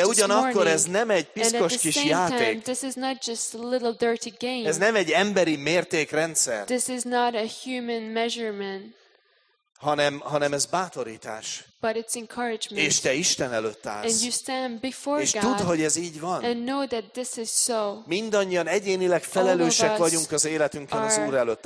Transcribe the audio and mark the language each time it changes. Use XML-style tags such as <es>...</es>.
<hu>De ugyanakkor ez nem egy piszkos kis játék.</hu> <en>This is not just a little dirty game.</en> <hu>Ez nem egy emberi mértékrendszer.</hu> <en>This is not a human measurement.</en> <hu>Hanem ez bátorítás.</hu> <en>But it's encouragement.</en> <hu>És te Isten előtt állsz.</hu> <en>And you stand before</en> <hu>és</hu> <en>God.</en> <hu>És tudd, hogy ez így van.</hu> <en>And know that this is so.</en> <hu>Mindannyian egyénileg felelősek vagyunk az életünkön az Úr előtt.</hu>